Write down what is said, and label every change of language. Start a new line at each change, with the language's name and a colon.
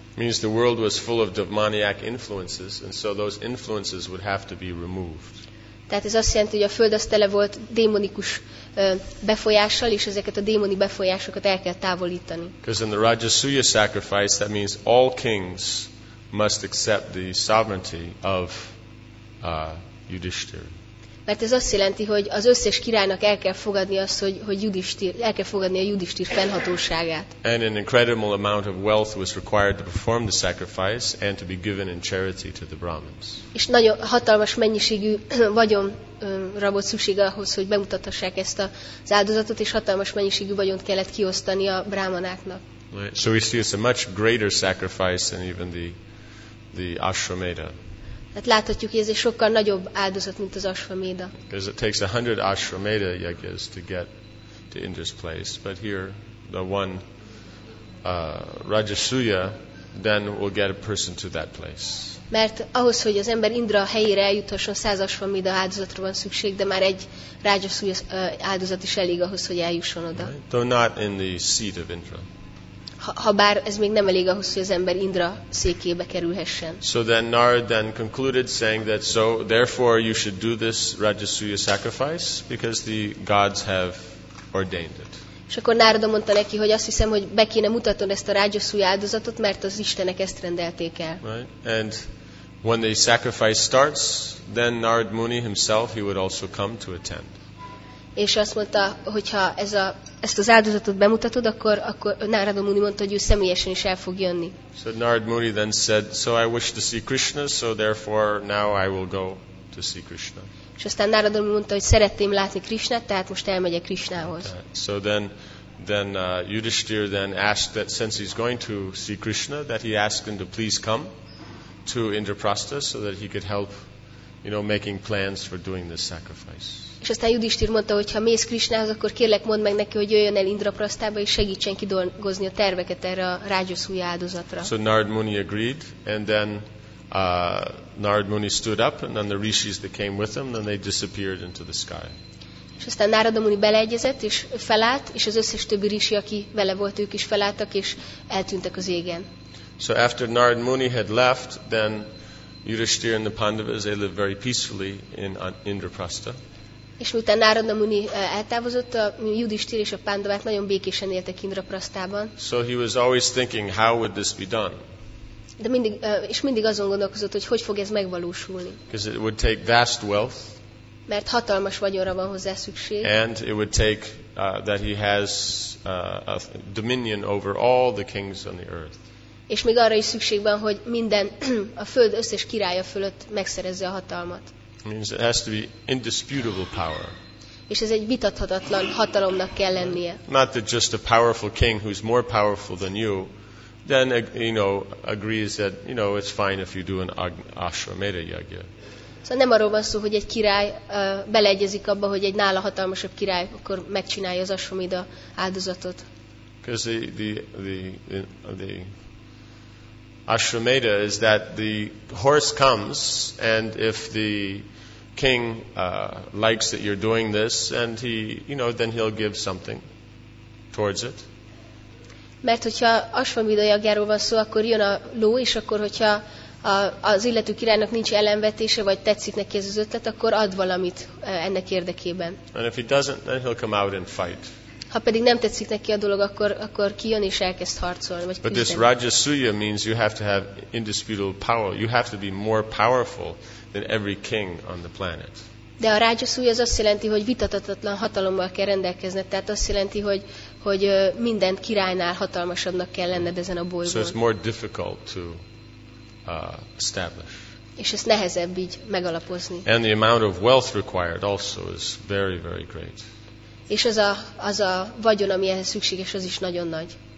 English: Means the world was full of demoniac influences, and so those influences would have to be removed.
Hungarian: Tehát ez azt jelenti, hogy a föld az tele volt démonikus befolyással, és ezeket a démoni befolyásokat el kell távolítani.
English: Because in the Rajasuya sacrifice, that means all kings must accept the sovereignty of Yudhishthira.
Hungarian: Mert ez azt jelenti, hogy az összes királynak el kell fogadni azt, hogy el kell fogadni a Yudhishthira fennhatóságát.
English: And an incredible amount of wealth was required to perform the sacrifice and to be given in charity to the Brahmins.
Hungarian: És nagyon hatalmas mennyiségű vagyonra volt szükség ahhoz, hogy bemutathassák ezt az áldozatot, és hatalmas mennyiségű vagyont kellett kiosztani a brahmanáknak.
English: Right. So we see it's a much greater sacrifice than even the Ashwamedha.
Hungarian: Tehát láthatjuk, hogy ez egy sokkal nagyobb áldozat, mint az Ashwamedha.
English: Because it takes 100 Ashwamedha yagyas to get to Indra's place, but here the one Rajasuya then will get a person to that place.
Hungarian: Mert ahhoz, hogy az ember Indra helyére eljuthasson, 100 Ashwamedha áldozatra van szükség, de már egy Rajasuya áldozat is elég ahhoz, hogy eljusson oda.
English: Right? Though not in the seat of Indra.
Hungarian: Habár ez még nem elég ahhoz, hogy az ember Indra székébe kerülhessen.
English: So then Narada then concluded saying that so therefore you should do this Rajasuya sacrifice because the gods have ordained it.
Hungarian: És akkor Narada mondta neki, hogy azt hiszem, hogy be kéne mutatnod ezt a Rajasuya áldozatot, mert az istenek ezt rendelték el.
English: Right. And when the sacrifice starts, then Narad Muni himself he would also come to attend.
Hungarian: És azt mondta, hogyha ezt az áldozatot bemutatod, akkor Narada Muni mondta, hogy ő személyesen is el fog jönni.
English: So Narada Muni then said, so I wish to see Krishna, so therefore now I will go to see Krishna.
Hungarian: És aztán Narada Muni mondta, hogy szeretném látni Krishnát, tehát most elmegyek Krishnához.
English: So then Yudhishthira then asked that since he's going to see Krishna, that he asked him to please come to Indraprastha so that he could help, you know, making plans for doing this sacrifice.
Hungarian: És aztán Yudhishthira mondta, hogy ha mész Krishnához, akkor kérlek mondd meg neki, hogy jöjjön el Indraprasztába és segítsen kidolgozni a terveket erre a rágyaszúja áldozatra.
English: So Narad Muni agreed, and then Narad Muni stood up, and then the rishis that came with him, then they disappeared into the sky.
Hungarian: És aztán Narada Muni beleegyezett és felállt, és az összes többi rishi, aki vele volt, ők is felálltak és eltűntek az égen.
English: So after Narad Muni had left, then Yudhishthira and the Pandavas they lived very peacefully in Indraprastha.
Hungarian: És miután Narada Muni eltávozott, a Yudhishthira és a Pandavák nagyon békésen éltek Indraprasztában.
English: So he was always thinking, how would this be done?
Hungarian: De mindig és mindig azon gondolkozott, hogy hogy fog ez megvalósulni.
English: Because it would take vast wealth.
Hungarian: Mert hatalmas vagyonra van hozzá szükség.
English: And it would take that he has a dominion over all the kings on the earth.
Hungarian: És még arra is szükség van, hogy minden a föld összes királya fölött megszerezze a hatalmat.
English: Means it has to be indisputable power.
Hungarian: És ez egy vitathatatlan hatalomnak kell lennie.
English: Not that just a powerful king who's more powerful than you, then you know agrees that you know it's fine if you do an Ashwamedha yagya.
Hungarian: Szóval nem arról van szó, hogy egy király beleegyezik abba, hogy egy nála hatalmasabb király akkor megcsinálja az Ashwamedha áldozatot.
English: Because the Ashwamedha is that the horse comes, and if the king likes that you're doing this, and he, you know, then he'll give something towards it.
Hungarian: Mert hogyha Ashwamedha jagjáról van szó, akkor jön a ló, és akkor, hogyha az illető királynak nincs ellenvetése, vagy tetszik neki ez az ötlet, akkor ad valamit ennek érdekében.
English: And if he doesn't, then he'll come out and fight.
Hungarian: Ha pedig nem tetszik neki a dolog, akkor kijön és elkezd harcolni.
English: But this Rajasuya means you have to have indisputable power. You have to be more powerful than every king on the planet.
Hungarian: De a rágyaszúly az azt jelenti, hogy vitatatlan hatalommal kell rendelkezned. Tehát azt jelenti, hogy, hogy mindent királynál hatalmasabbnak kell lenned ezen a bolygón.
English: So it's more difficult to establish.
Hungarian: És ezt nehezebb így megalapozni.
English: And the amount of wealth required also is very, very great.
Hungarian: És az a, az a vagyon, ami ehhez szükséges, az is nagyon nagy.